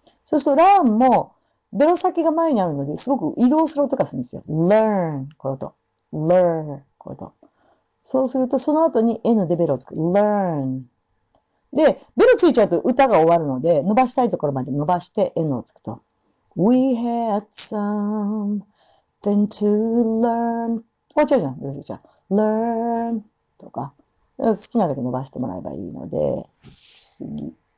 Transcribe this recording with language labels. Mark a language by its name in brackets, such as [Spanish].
[Japanese] そうすると、ランも、ベロ先が前にあるので、すごく移動する音がするんですよ。 learn、こういう音。learn、こういう音。そうすると、その後に N でベロをつく。 learn。で、ベロついちゃうと歌が終わるので、伸ばしたいところまで伸ばして N をつくと。 [English] we had some thing to learn。 [Japanese] 終わっちゃうじゃん、ベロついちゃう。 learn、とか。好きなだけ伸ばしてもらえばいいので、次。